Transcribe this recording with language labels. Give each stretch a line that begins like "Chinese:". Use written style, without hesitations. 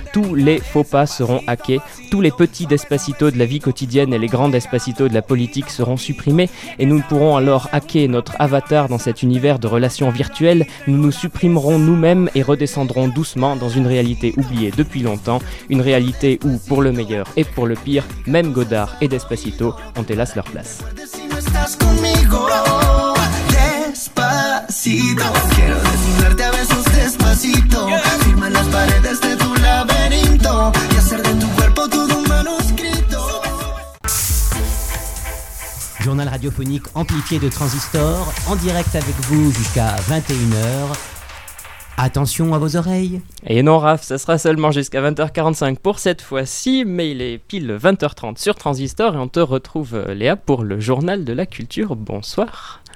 French: Tous les faux pas seront hackés, tous les petits despacito de la vie quotidienne et les grands despacito de la politique seront supprimés et nous pourrons alors hacker notre avatar dans cet univers de relations virtuelles. Nous nous supprimerons nous-mêmes et redescendrons doucement dans une réalité oubliée depuis longtemps, une réalité où, pour le meilleur et pour le pire, même Godard et Despacito ont hélas leur place.
Spanish: Estás conmigo despacito. Quiero desnudarte a besos despacito. Firma las paredes de tu laberinto y hacer de tu cuerpo todo un manuscrito.
French: Journal radiophonique amplifié de Transistor en direct avec vous jusqu'à 21h. Attention à vos oreilles. Et non, Raph, ça sera seulement jusqu'à 20h45 pour cette fois-ci, mais il est pile 20h30 sur Transistor et on te retrouve, Léa, pour le Journal de la Culture. Bonsoir.